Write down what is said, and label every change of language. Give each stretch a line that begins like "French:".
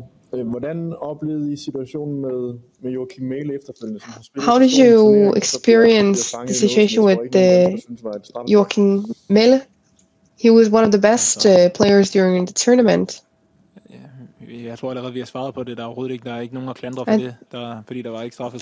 Danish: Hvordan oplevede I situationen med Joachim Mæhl efterfølgende, som har spillet?
English: How did you experience the situation with Joachim Mæhl? He was one of the best players during the tournament.
Danish: Ja, jeg tror allerede, vi har svaret på det. Der er overhovedet ikke, der er ikke nogen at klandre for det, der, fordi der var ikke straffet.